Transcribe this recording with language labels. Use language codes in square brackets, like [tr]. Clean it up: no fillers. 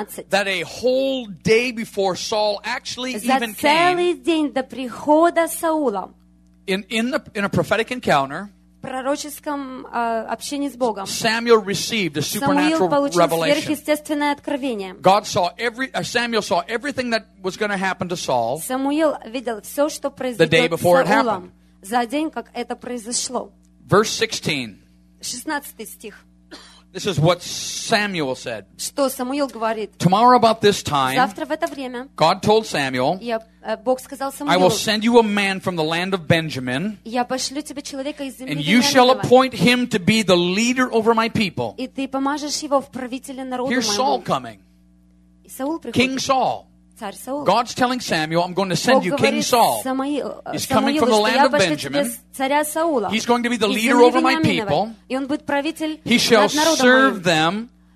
[en] that a whole day before Saul actually even came. [ru] За целый день до прихода Саула. [en] In a prophetic encounter. [ru] В пророческом общении с Богом. [en] Samuel received a supernatural revelation. [ru] Сверхъестественное откровение. [en] God saw Samuel saw everything that was going to happen to Saul. [ru] Самуил видел все, что произойдет с Саулом. За день, как это произошло. [en] Verse 16. [ru] 16 стих. [en] This is what Samuel said. [ru] Что Самуил говорит? [en] Tomorrow about this time. [ru] Завтра в это время. [en] God told Samuel. [ru] Я Бог сказал Самуилу. [en] I will send you a man from the land of Benjamin. [ru] Я пошлю тебе человека из земли Бенджамина. [en] And you shall appoint him to be the leader over my people. [ru] И ты помажешь его в правителя народа моего. [en] Here's Saul coming. [ru] И Саул приходит. [en] King Saul. [ru] Царь Саул. [en] God's telling Samuel, I'm going to send you King Saul. He's coming from the land of Benjamin. He's going to be the leader over my people. He shall serve them.